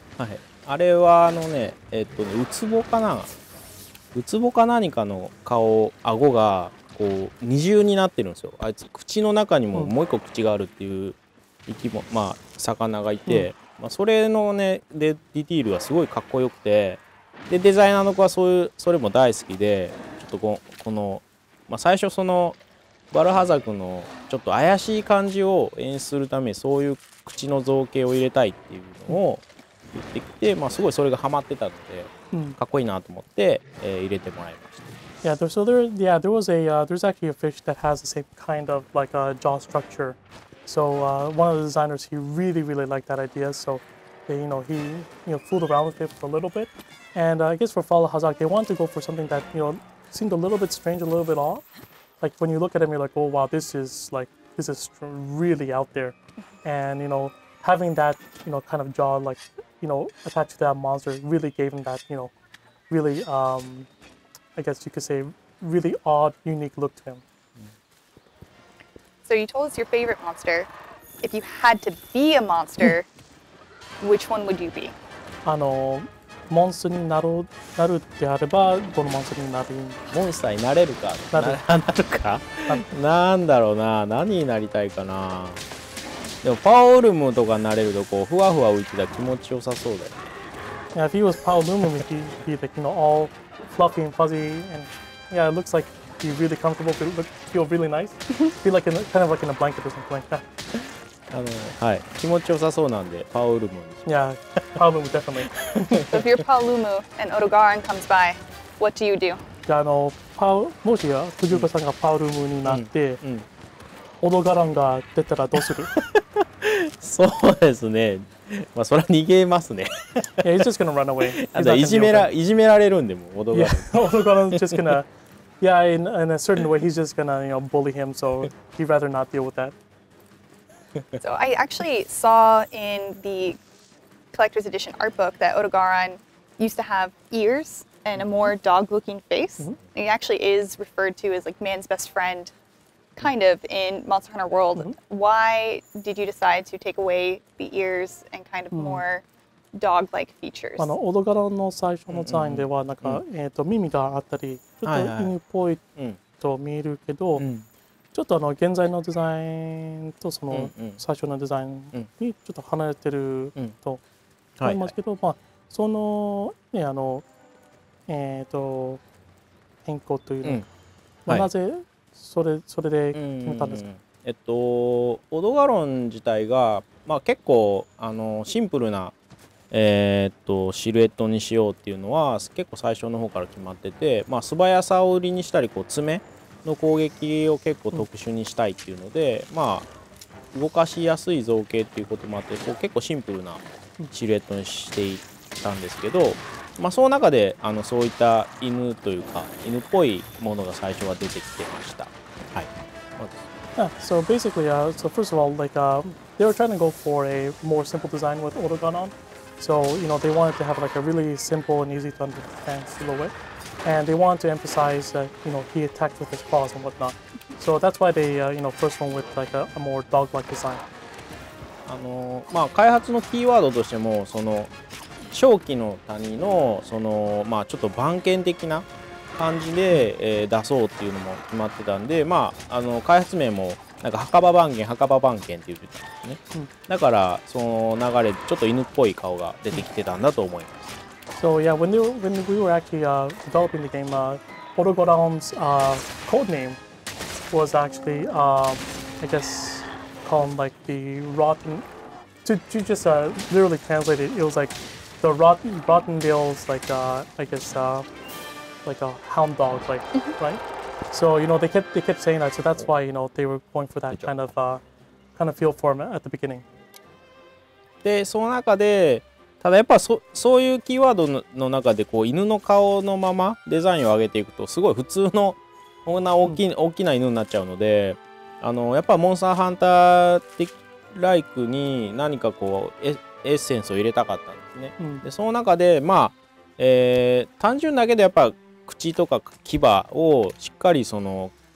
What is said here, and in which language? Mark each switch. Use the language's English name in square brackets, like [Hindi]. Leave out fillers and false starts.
[Japanese] はいはい、あれはウツボかな、ウツボか何かの顔、顎がこう二重になってるんですよ。あいつ口の中にももう一個口があるっていう生き物、まあ魚がいて、うん、まあ、それのねでディティールはすごいかっこよくて、でデザイナーの子はそれも大好きで、ちょっとこのまあ、最初そのバルハザクのちょっと怪しい感じを演出するためにそういう口の造形を入れたいっていうのを言ってきて、まあ、すごいそれがハマってたのでかっこいいなと思って、入れてもらいました。 [English] Yeah, so there's actually a fish that has the same kind of like a jaw structure. So one of the designers he really really liked that idea. So you know he fooled around with it for a little bit. And I guess for Valhazak they wanted to go for something that seemed a little bit strange, a little bit odd. Like when you look at him, you're like, oh wow, this is really out there. And you know, having that, you know, kind of jaw, like, you know, attached to that monster really gave him that, you know, really, I guess you could say, really odd, unique look to him. So you told us your favorite monster. If you had to be a monster, which one would you be? [Japanese] あのモンスターになる、なるってあればどのモンスターになる？モンスターになれるか。なる。なるか。なんだろうな。何になりたいかな。でもパオルムとかになれるとこうふわふわ浮いてたら気持ちよさそうだよ。 [English] Yeah, if he was Paul Lumum, he'd be like, you know, all fluffy and fuzzy, and yeah, it looks like he'd be really comfortable, but look, feel really nice, feel like in a, kind of like in a blanket or something like that. [Japanese] あのはい、気持ちよさそうなんでパオルムに。 [English] Yeah, Paul Lumum definitely. So if you're Paul Lumum and Odogaren comes by, what do you do? [Japanese] じゃあのパオ、もしや藤岡さんがパオルムになって、うんうんうん、オドガランが出たらどうする？そうですね。まあ、それは逃げますね。 [English] Yeah, he's just gonna run away. [Japanese] いじめられるんで、もう、オドガラン。 [English] Yeah, オドガラン is just gonna... Yeah, in a certain way, he's just gonna, you know, bully him, so he'd rather not deal with that. So I actually saw in the collector's edition art book that Odogaren used to have ears and a more dog-looking face. Mm-hmm. He actually is referred to as, like, man's best friend. Kind of in Monster Hunter World,、mm-hmm. why did you decide to take away the ears and kind of more、mm-hmm. dog-like features? [Japanese] あのオドガランの最初のデザインではなんか、mm-hmm. 耳があったりちょっと犬っぽいと見えるけど、mm-hmm. ちょっとあの現在のデザインとその最初のデザインにちょっと離れてると思いますけど、mm-hmm. まあそのねあの変更というのか、mm-hmm. まあ、なぜそれで決めたんですか？オドガロン自体が、まあ、結構あのシンプルな、シルエットにしようっていうのは結構最初の方から決まってて、まあ、素早さを売りにしたりこう爪の攻撃を結構特殊にしたいっていうので、うん、まあ、動かしやすい造形っていうこともあってこう結構シンプルなシルエットにしていったんですけど、まあ、その中であのそういった犬というか犬っぽいものが最初は出てきてました。はい。 [English] Yeah, so basically,、so first of all, like,、they were trying to go for a more simple design with Odogaren. So, you know, they wanted to have like a really simple and easy to understand silhouette. And they wanted to emphasize that, you know, he attacked with his claws and whatnot. So that's why they,、you know, first went with like a more dog-like design. [Japanese] まあ、開発のキーワードとしてもその正気の谷のそのまあちょっと番犬的な感じで、出そうっていうのも決まってたんで、まあ、あの開発名もなんか墓場番犬墓場番犬って言ってたんですね、うん、だからその流れちょっと犬っぽい顔が出てきてたんだと思います。 [English] So yeah, when we were actually developing the game, Odogaren's code name was actually I guess called like the rotten to just literally translate it, it was likeThe Rottendale's like, I guess, like a hound dog, like, right? So, you know, they kept saying that, so that's why, you know, they were going for that kind of feel for him at the beginning. [Japanese] で、その中で、ただやっぱそういうキーワードの中でこう犬の顔のままデザインを上げていくとすごい普通のこんな大きな犬になっちゃうので、あのやっぱモンスターハンターってライクに何かこうエッセンスを入れたかったんですね、うん、でその中でまあ、単純だけでやっぱ口とか牙をしっかりその